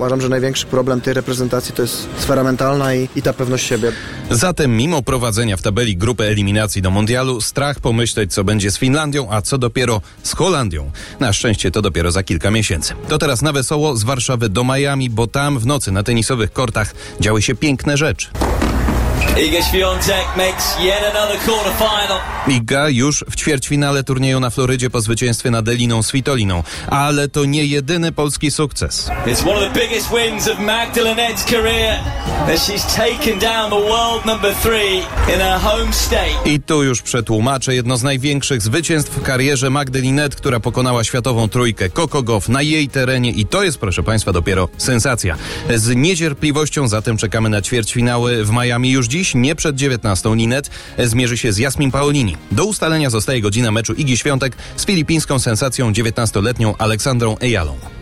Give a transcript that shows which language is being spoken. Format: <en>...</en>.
<pl>Uważam, że największy problem tej reprezentacji to jest sfera mentalna i ta pewność siebie. Zatem mimo prowadzenia w tabeli grupy eliminacji do Mundialu, strach pomyśleć, co będzie z Finlandią, a co dopiero z Holandią. Na szczęście to dopiero za kilka miesięcy. To teraz na wesoło z Warszawy do Miami, bo tam w nocy na tenisowych kortach działy się piękne rzeczy.</pl> <en>Iga Świątek makes yet another quarterfinal.</en> <pl>Iga już w ćwierćfinale turnieju na Florydzie po zwycięstwie nad Eliną Świtoliną. Ale to nie jedyny polski sukces.</pl> <en>It's one of the biggest wins of Magdalenette's career. And she's taken down the world number 3 in her home state.</en> <pl>I tu już przetłumaczę jedno z największych zwycięstw w karierze Magdalenette, która pokonała światową trójkę Coco Gauff na jej terenie. I to jest, proszę Państwa, dopiero sensacja. Z niecierpliwością zatem czekamy na ćwierćfinały w Miami już dziś, nie przed 19:00. Linet zmierzy się z Jasmin Paolini. Do ustalenia zostaje godzina meczu Igi Świątek z filipińską sensacją 19-letnią Aleksandrą Ayalą.</pl>